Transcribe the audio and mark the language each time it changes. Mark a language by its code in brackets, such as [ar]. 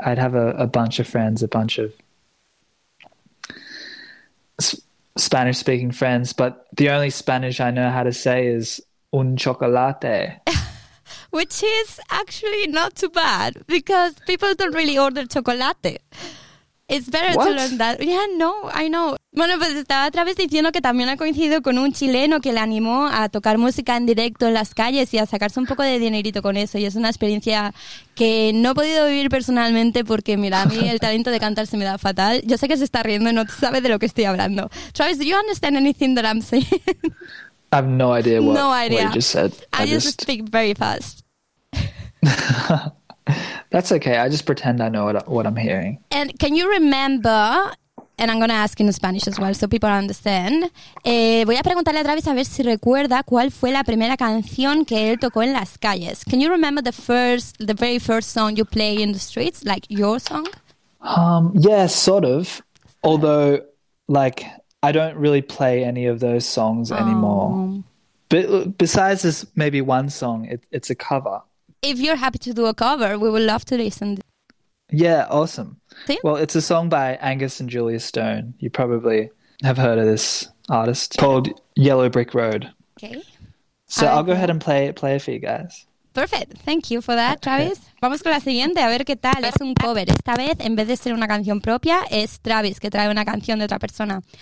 [en] I'd have a bunch of friends, a bunch of Spanish speaking friends, but the only Spanish I know how to say is [es] un chocolate. [en] Which is actually not too bad because people don't really order chocolate. It's better what? To learn that. Yeah, no, I know. [es] Bueno, pues estaba otra vez diciendo que también ha coincidido con un chileno que le animó a tocar música en directo en las calles y a sacarse un poco de dinerito con eso. Y es una experiencia que no he podido vivir personalmente porque, mira, a mí el talento de cantar se me da fatal. Yo sé que se está riendo y no sabe de lo que estoy hablando. [en] Travis, do you understand anything that I'm saying? I have no idea what you just said. I just speak very fast. That's okay. I just pretend I know what I'm hearing. And can you remember, and I'm going to ask in Spanish as well so people understand. [es] Voy a preguntarle a Travis a ver si recuerda cuál fue la primera canción que él tocó en las calles. [en] Can you remember the very first song you play in the streets, like your song? Yeah, sort of. Although, like, I don't really play any of those songs anymore. But besides this maybe one song, it's a cover. If you're happy to do a cover, we would love to listen. Yeah, awesome. See? Well, it's a song by Angus and Julia Stone. You probably have heard of this artist called Yellow Brick Road. Okay. So I'll go ahead and play it for you guys. Perfect. Thank you for that, Travis. Okay. [es] Vamos con la siguiente, a ver qué tal. Es un cover. Esta vez, en vez de ser una canción propia, es Travis que trae una canción de otra persona.